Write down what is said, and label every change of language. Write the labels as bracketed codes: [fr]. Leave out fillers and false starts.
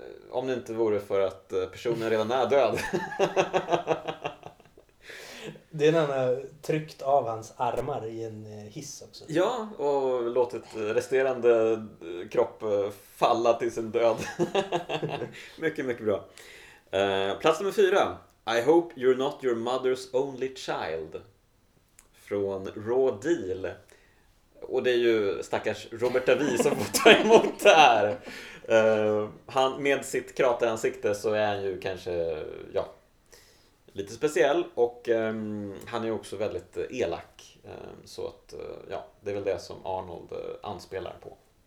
[sv] Om det inte vore för att personen redan är död. Det är när han har tryckt av hans armar i en hiss också. Ja, och låtit resterande kropp falla till sin död. Mycket, mycket bra. Plats nummer 4. [en] I hope you're not your mother's only child. [sv] Från Raw Deal. Och det är ju stackars Robert Davi som får ta emot det här. Han med sitt krateransikte så är han ju kanske, ja, lite speciell och han är också väldigt elak. Så att ja, det är väl det som Arnold anspelar på.